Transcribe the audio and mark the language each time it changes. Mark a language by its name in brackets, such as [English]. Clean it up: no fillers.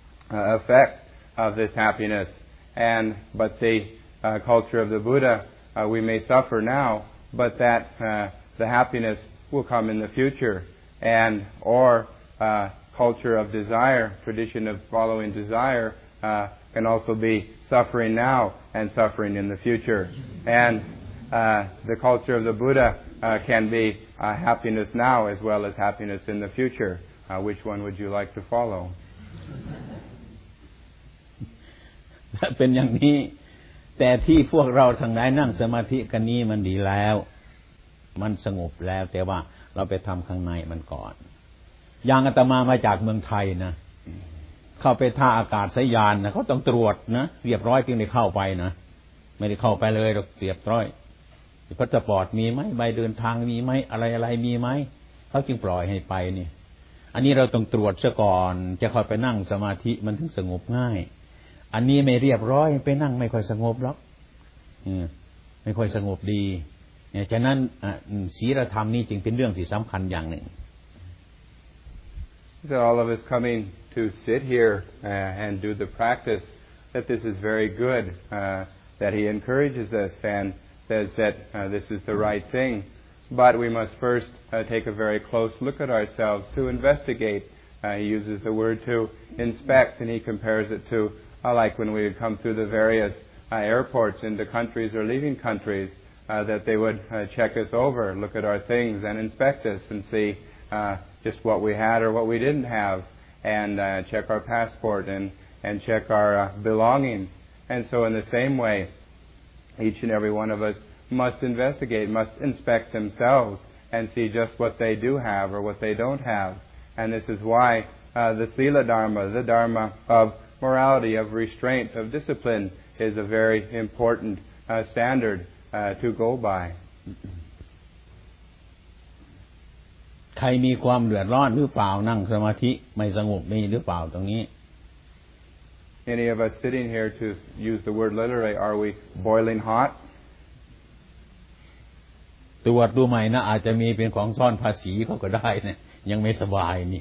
[English] effect of this happiness and but the culture of the Buddha we may suffer now but that the happiness will come in the future and or culture of desire tradition of following desire can also be suffering now and suffering in the future and the culture of the Buddha can be happiness now as well as happiness in the future which one would you like to follow [Thai] ถ้าเป็นอย่างนี้แต่ที่พวกเราทั้งหลายนั่งสมาธิกันนี้มันดีแล้วมันสงบแล้วแต่ว่าเราไปทำข้างในมันก่อนยังอาตมามาจากเมืองไทยนะ เข้าไปท่าอากาศยานนะเขาต้องตรวจนะเรียบร้อยจึงได้เข้าไปนะไม่ได้เข้าไปเลยหรอกเรียบร้อยพาสปอร์ตมีไหมใบเดินทางมีไหมอะไรอะไรมีไหมเขาจึงปล่อยให้ไปนี่อันนี้เราต้องตรวจซะก่อนจะค่อยไปนั่งสมาธิมันถึงสงบง่ายอันนี้ไม่เรียบร้อยไปนั่งไม่ค่อยสงบหรอกไม่ค่อยสงบดีเนี่ยฉะนั้นศีลธรรมนี่จึงเป็นเรื่องที่สำคัญอย่างหนึ่ง [English] That all of us coming to sit here and do the practice, that this is very good, that he encourages us and says that this is the right thing. But we must first take a very close look at ourselves to investigate. He uses the word to inspect, and he compares it to like when we would come through the various airports into countries or leaving countries, that they would check us over, look at our things and inspect us and see just what we had or what we didn't have, and check our passport and check our belongings. And so in the same way, each and every one of us must investigate, must inspect themselves and see just what they do have or what they don't have. And this is why the Sila Dharma, the Dharma of morality, of restraint, of discipline, is a very important standard to go by. [Thai] ใครมีความเดือดร้อนหรือเปล่านั่งสมาธิไม่สงบนี่หรือเปล่าตรงนี้ [English] Any of us sitting here to use the word literally are we boiling hot [Thai] ตรวจดูใหม่นะอาจจะมีเป็นของซ่อนภาษีก็ได้เนี่ยยังไม่สบายนี